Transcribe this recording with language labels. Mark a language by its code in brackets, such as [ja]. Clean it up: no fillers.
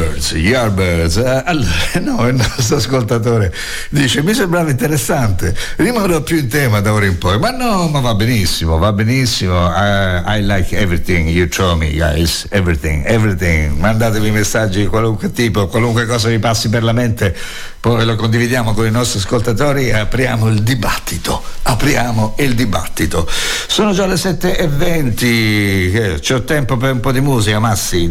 [it] Yardbirds, allora, no, il nostro ascoltatore dice: mi sembrava interessante, rimarrò più in tema da ora in poi. Ma no, ma va benissimo. [en] I like everything you throw me, guys. Everything. [it] Mandatevi messaggi di qualunque tipo, qualunque cosa vi passi per la mente, poi lo condividiamo con i nostri ascoltatori e apriamo il dibattito. Sono già le 7:20. C'ho tempo per un po' di musica, Massi.